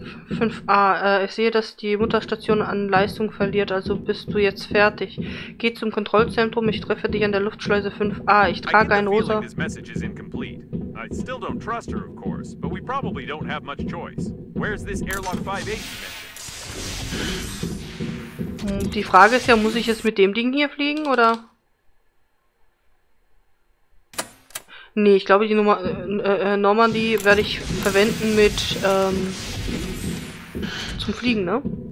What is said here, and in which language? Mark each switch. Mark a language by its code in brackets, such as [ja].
[de] 5A, ich sehe, dass die Mutterstation an Leistung verliert, also bist du jetzt fertig. Geh zum Kontrollzentrum, ich treffe dich an der Luftschleuse 5A, ich trage ein rosa... [en] This message is incomplete. I still don't trust her, of course, but we probably don't have much choice. Where's this airlock 5-8 message? [de] Die Frage ist ja, muss ich jetzt mit dem Ding hier fliegen, oder? Nee, ich glaube, die Nummer, Normandy werde ich verwenden mit, zum Fliegen, ne?